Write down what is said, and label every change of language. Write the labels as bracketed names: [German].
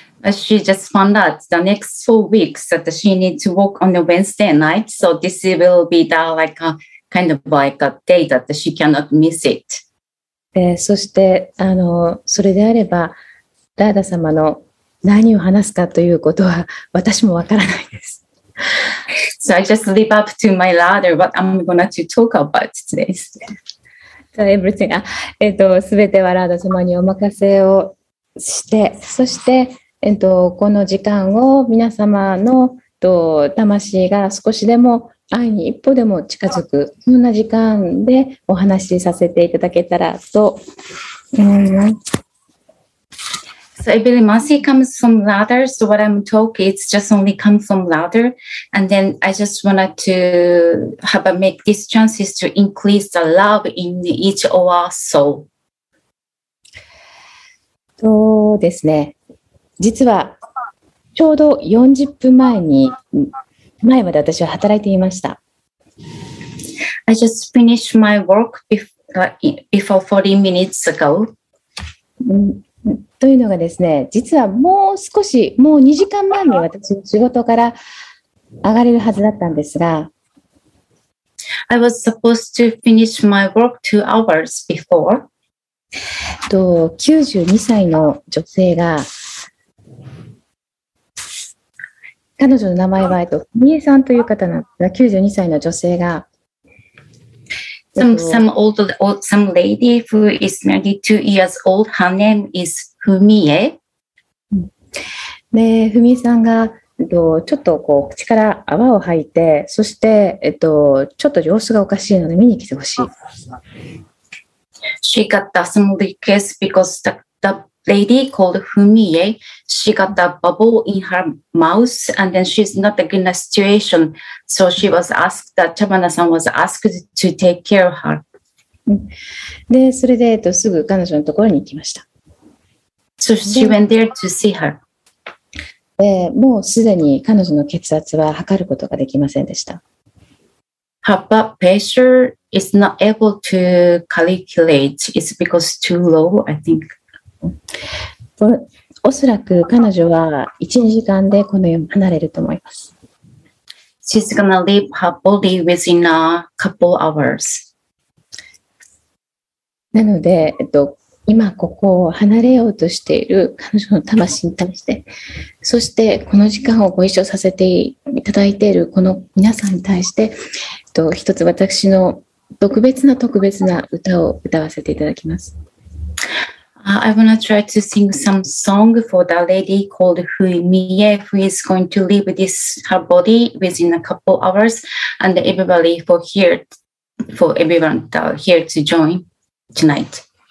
[English] She just found out the next 4 weeks that she needs to work on the Wednesday night. So this will be the like a kind of like a day that she cannot miss it. [Japanese] そしてそれであればラーダ様の何を話すかということは私もわからないです。 [English] So I just leave up to my Radha what I'm going to talk about today. So everything, [Japanese] すべてはラーダ様にお任せをして、そしてこの時間を皆様の魂が少しでも愛に一歩でも近づく、そんな時間でお話しさせていただけたらと思います。 [English] So I believe mercy comes from Radha. So what I'm talking, it's just only come from Radha. And then I just wanted to have a make these chances to increase the love in each of our soul. [Japanese] そうですね。実はちょうど40分前に前まで私は働いていました。 [English] I just finished my work before 40 minutes ago. [Japanese] というのがですね、実はもう少し、もう2時間前に私仕事から上がれるはずだったんですが。 [English] I was supposed to finish my work 2 hours before. [Japanese] 92歳の女性が、彼女の名前は、ミエさんという方なんですが、92歳の女性が、 [English] Some lady who is 92 years old, her name is Fumie. [Japanese] で、フミエさんが、ちょっとこう口から泡を吐いて、そして、ちょっと様子がおかしいので見に来てほしい。 [English] She got the some request because the lady called Fumie, she got the bubble in her mouth and then she's not in a situation. So she was asked, that Chabana-san was asked to take care of her. [Japanese] で、それで、すぐ彼女のところに行きました。 [English] So she went there to see her. [Japanese] で、もうすでに彼女の血圧は測ることができませんでした。 [English] Her blood pressure is not able to calculate. It's because too low, I think. [Japanese] おそらく彼女は1時間でこの世を離れると思います。 [English] She's gonna leave her body within a couple hours. [Japanese] なので、今ここを離れようとしている彼女の魂に対して、そしてこの時間をご一緒させていただいているこの皆さんに対して、一つ私の特別な歌を歌わせていただきます。 [English] I want to try to sing some song for the lady called Hui Mie, who is going to leave this, her body within a couple hours, and everybody for here, for everyone here to join tonight.